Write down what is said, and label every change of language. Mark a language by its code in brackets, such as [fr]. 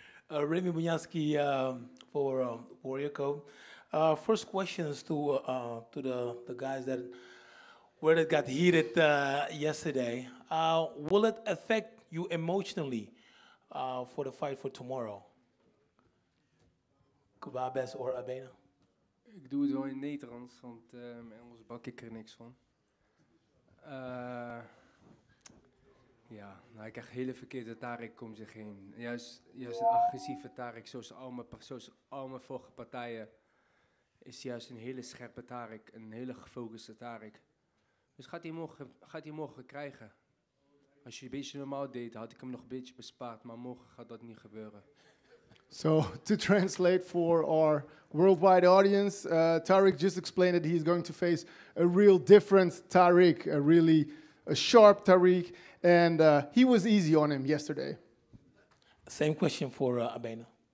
[en] Remy Bunyansky for Warrior Co. First question is to the guys that where it got heated yesterday. Will it affect you emotionally for the fight for tomorrow? Kubabes or Abena? [nl] Ik doe het wel in Nederlands, want in Engels bak ik er niks van. Ja, nou, ik krijg hele verkeerde Tarik om zich heen. Juist een agressieve Tarik, zoals al mijn vorige partijen, is juist een hele scherpe Tarik, een hele gefocuste Tarik. Dus gaat hij morgen krijgen? Als je een beetje normaal deed, had ik hem nog een beetje bespaard, maar morgen gaat dat niet gebeuren. [en] So, to translate for our worldwide audience, Tarik just explained that he's going to face a real different Tarik, a really a sharp Tarik, and he was easy on him yesterday. Same question for Abena.